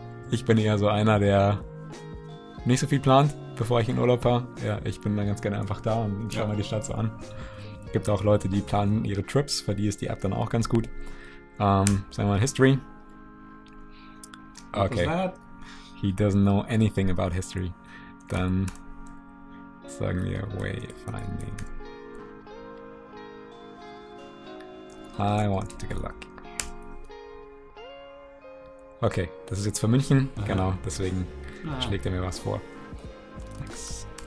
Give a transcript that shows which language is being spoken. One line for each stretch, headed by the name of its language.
German: ich bin eher so einer, der nicht so viel plant, bevor ich in Urlaub war. Ja, ich bin dann ganz gerne einfach da und schaue mal die Stadt so an. Es gibt auch Leute, die planen ihre Trips, für die ist die App dann auch ganz gut. Sagen wir mal History. Okay.
English: He doesn't know anything about history.
German: Dann sagen wir Wayfinding.
English: I want to get lucky.
German: Okay, das ist jetzt für München. Aha. Genau, deswegen schlägt er mir was vor. Thanks.